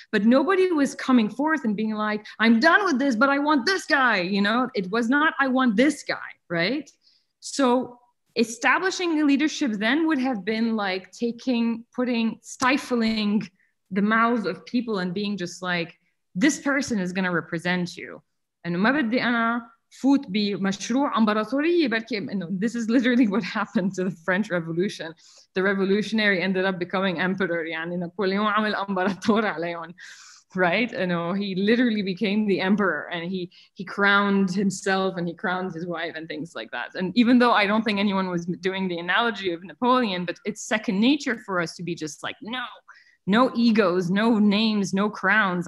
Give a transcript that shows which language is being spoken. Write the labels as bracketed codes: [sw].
[en] But nobody was coming forth and being like, I'm done with this, but I want this guy. You know, it was not, I want this guy, right? So establishing the leadership then would have been like stifling the mouths of people and being just like, this person is going to represent you. [ar] And ما بدي أنا فوت بمشروع أمبراطورية بركي. [en] This is literally what happened to the French Revolution. The revolutionary ended up becoming emperor. [ar] يعني نابليون عمل أمبراطور عليهم. [en] Right? You know, he literally became the emperor and he crowned himself and he crowned his wife and things like that. And even though I don't think anyone was doing the analogy of Napoleon, but it's second nature for us to be just like, no, no egos, no names, no crowns.